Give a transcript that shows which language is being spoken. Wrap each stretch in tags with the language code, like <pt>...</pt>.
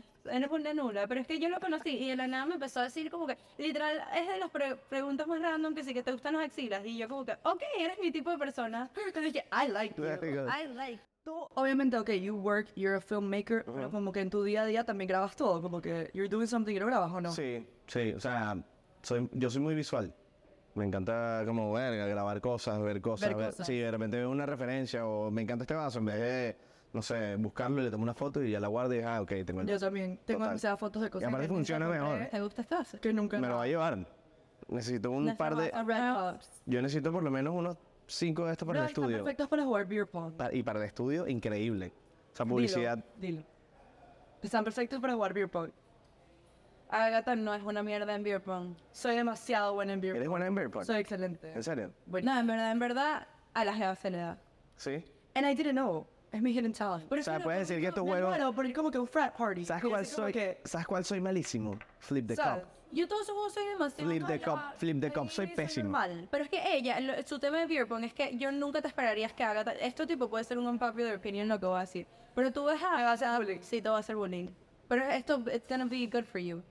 <es>Él es un nenula, pero es que yo lo conocí y de la nada me empezó a decir como que, literal, es de las preguntas más random que sí, que te gustan los axilas. Y yo como que, ok, eres mi tipo de persona. Y dije,</es> <en>I like you.</en> <es>Obviamente,</es> <en>ok, you work, you're a filmmaker, uh-huh.</en> <es>Pero como que en tu día a día también grabas todo, como que</es> <en>you're doing something</en> <es>y lo grabas, ¿o no? Sí, sí, o sea, yo soy muy visual. Me encanta como grabar cosas, ver cosas. Sí, de repente veo una referencia o me encanta este vaso, en vez de, no sé, buscarlo, le tomo una foto y ya la guardo y ok, tengo el... Yo también, tengo demasiadas fotos de cosas. Y aparte que funciona mejor. ¿Te gusta este vaso? Que nunca. Me lo va a llevar. Necesito un par de... Yo necesito por lo menos unos... 5 de estos para no, el estudio. Están perfectos para jugar beer pong. Y para el estudio, increíble. O sea, publicidad. Dilo. Están perfectos para jugar beer pong. Agatha no es una mierda en beer pong. Soy demasiado buena en beer pong. ¿Eres buena en beer pong? Soy excelente. ¿En serio? Bueno. No, en verdad, a la jefa se le da. ¿Sí?</es> <en>And I didn't know.</en> <es>Es mi</es> <en>hidden talent.</en> <es>Pero o sea, puedes decir que tu juego... No, pero es como que un frat party. ¿Sabes cuál soy malísimo?</es> <en>Flip the cup.</en> <es>Yo todos esos juegos soy demasiado</es> <en>flip the cup, flip the cup,</en> <es>soy pésimo. Normal. Pero es que ella, su tema de beer pong es que yo nunca te esperarías que haga... Esto tipo puede ser un</es> <en>unpopular opinion</en> <es>lo que voy a decir. Pero tú ves a... Va a ser bullying. Sí, todo va a ser bullying. Pero esto,</es> <en>it's gonna be good for you.</en>